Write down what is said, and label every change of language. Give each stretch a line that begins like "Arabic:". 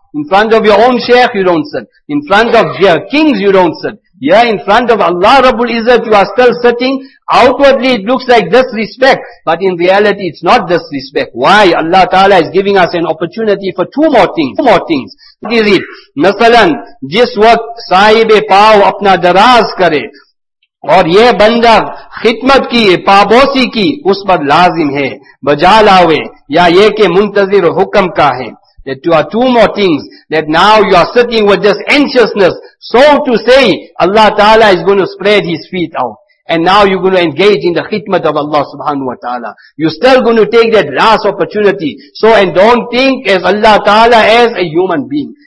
English: In front of your own sheikh, you don't sit. In front of your kings, you don't sit. Yeah, in front of Allah Rabbul Izzat, you are still sitting. Outwardly, it looks like disrespect, but in reality, it's not disrespect. Why? Allah Ta'ala is giving us an opportunity for two more things. What is it?
Urdu: Masalan, jis waqt sahib-e paav apna daraz kare, اور یہ بندہ خدمت کی پابوسی کی اس پر لازم ہے بجا لاوے یا یہ کہ منتظر حکم کا ہے.
English: That you are two more things, that now you are sitting with this anxiousness, so to say Allah Ta'ala is going to spread his feet out. And now you're going to engage in the khidmat of Allah subhanahu wa ta'ala. You're still going to take that last opportunity. So, and don't think as Allah ta'ala as a human being.